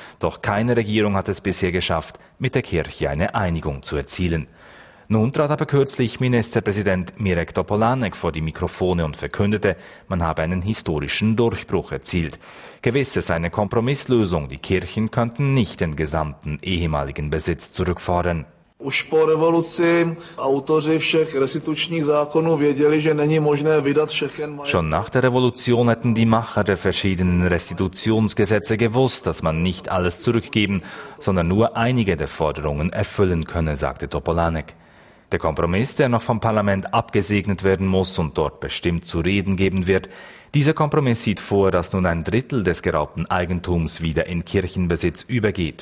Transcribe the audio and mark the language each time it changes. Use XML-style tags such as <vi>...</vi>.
<de>Doch keine Regierung hat es bisher geschafft, mit der Kirche eine Einigung zu erzielen. Nun trat aber kürzlich Ministerpräsident Mirek Topolánek vor die Mikrofone und verkündete, man habe einen historischen Durchbruch erzielt. Gewiss, es sei eine Kompromisslösung, die Kirchen könnten nicht den gesamten ehemaligen Besitz zurückfordern.</de> <cs>Už po revoluci autoři všech restitučních zákonů věděli, že není možné vydat všechen.</cs> <de>Schon nach der Revolution hätten die Macher der verschiedenen Restitutionsgesetze gewusst, dass man nicht alles zurückgeben, sondern nur einige der Forderungen erfüllen könne, sagte Topolánek. Der Kompromiss, der noch vom Parlament abgesegnet werden muss und dort bestimmt zu reden geben wird, dieser Kompromiss sieht vor, dass nun ein Drittel des geraubten Eigentums wieder in Kirchenbesitz übergeht.</de>